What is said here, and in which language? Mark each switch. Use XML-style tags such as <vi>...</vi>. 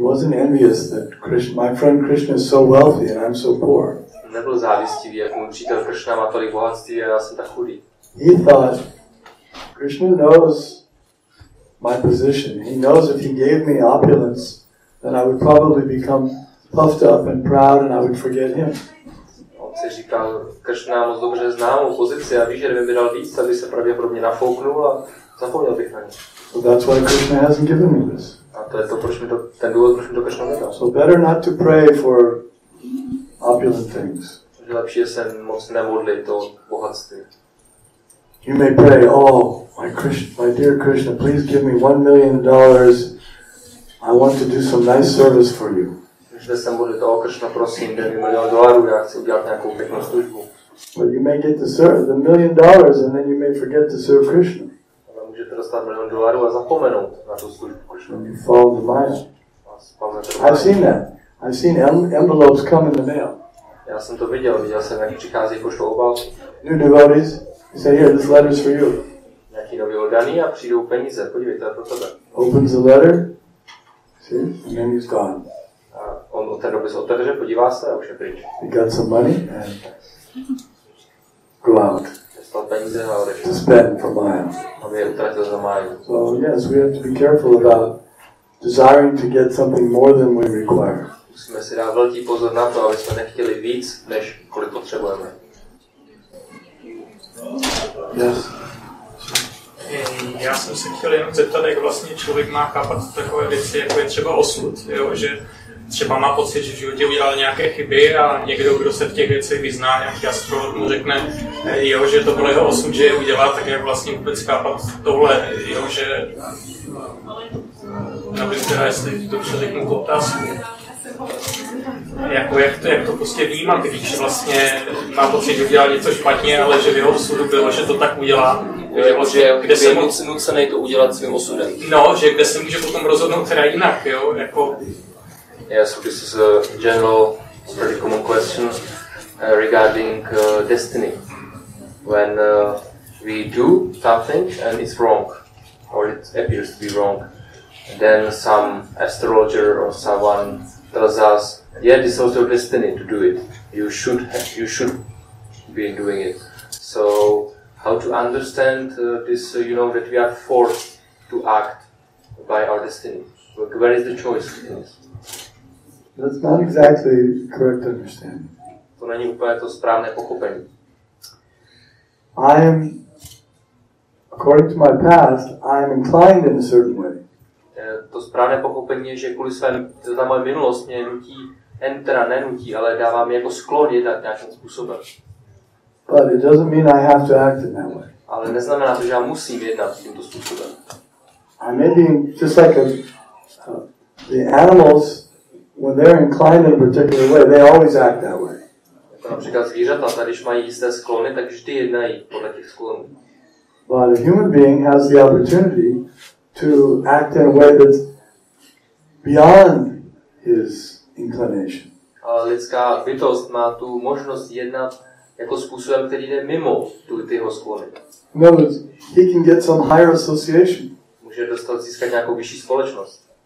<en>wasn't envious that Krishna, my friend Krishna is so wealthy and I'm so poor.</en> <cs>Nebyl závistivý, jak můj přítel Krishna má tolik bohatství a já jsem tak chudý.</cs> <en>He thought, Krishna knows my position. He knows if he gave me opulence, then I would probably become puffed up and proud and I would forget him.</en> <cs>Si říkal, Krishna moc dobře zná mou pozici a ví, že kdyby mi dal víc, tak by se pravděpodobně nafouknul a zapomněl bych na ně.</cs> <en>So that's why Krishna hasn't given me this.</en> <cs>A to je to, proč mi to, ten důvod, proč mi to Krishna nedal.</cs> <en>So better not to pray for opulent things.</en> <cs>Že lepší je se moc nemodlit o bohatství.</cs> <en>You may pray, oh, my dear Krishna, please give me $1 million. I want to do some nice service for you.</en> <cs>Že se bude toho Krishna, prosím, dej mi $1 million, já chci udělat nějakou pěknou službu.</cs> <en>But you may get the $1 million and then you may forget to serve Krishna.</en> <cs>Ale můžete dostat $1 million a zapomenout na tu službu Krishna.</cs> <en>And you follow the mind. I've seen that. I've seen envelopes come in the mail.</en> <cs>Já jsem to viděl, jak přichází poštou obálky.</cs> <en>New devotees, you say, here, this letter's for you.</en> <cs>Nějaký nový oddaný a přijdou peníze, podívejte, to je pro tebe.</cs> <en>Opens the letter, see, and then he's gone.</en> <cs>A on od té doby se otevře, podívá se a už je pryč.</cs> <en>He got some money and go out.</en> <cs>Dostal peníze a odešel.</cs> <en>To spend for Maya.</en> <cs>Aby je utratil za Maya.</cs> <en>So yes, we have to be careful about desiring to get something more than we require.</en> <cs>Musíme si dát velký pozor na to, aby jsme nechtěli víc, než kolik potřebujeme.</cs> <en>Yes.</en> <cs>Já jsem se chtěl jenom zeptat, jak vlastně člověk má chápat takové věci, jako je třeba osud, jo? Že třeba má pocit, že v životě udělal nějaké chyby a někdo, kdo se v těch věcech vyzná, nějaký astrolog mu řekne, jo, že to bylo jeho osud, že je udělá, tak jak vlastně vůbec chápat tohle, jo, že nevím teda, jestli to přeřeknu k otázku. Jako jak to prostě vnímat, když vlastně má pocit, že udělal něco špatně, ale že v jeho osudu bylo, že to tak udělá. Kde jsem nucený to udělat svým osudem. No, že kde se může potom rozhodnout teda jinak, jo, jako...</cs> <en>Yes, this is a general, pretty common question regarding destiny. When we do something and it's wrong, or it appears to be wrong, then some astrologer or someone tells us, yeah, this was your destiny to do it. You should be doing it. So, how to understand this, you know, that we are forced to act by our destiny? Where is the choice in this? That's not exactly correct understanding.</en> <cs>To není úplně to správné pochopení.</cs> <en>I am, according to my past, I am inclined in a certain way.</en> <cs>To správné pochopení je, že kvůli své ta moje minulost mě nutí, teda nenutí, ale dává mi jako sklon jednat nějakým způsobem.</cs> <en>But it doesn't mean I have to act in that way.</en> <cs>Ale neznamená to, že já musím jednat tímto způsobem.</cs> <en>I may be just like the animals when they're inclined in a particular way, they always act that way.</en> <cs>Například zvířata, když mají jisté sklony, tak vždy jednají podle těch sklonů.</cs> <en>But a human being has the opportunity to act in a way that's beyond his inclination.</en> <cs>Ale lidská bytost má tu možnost jednat jako způsobem, který jde mimo tu jeho sklony.</cs> <en>In other words, he can get some higher association.</en> <cs>Může dostat získat nějakou vyšší společnost.</cs>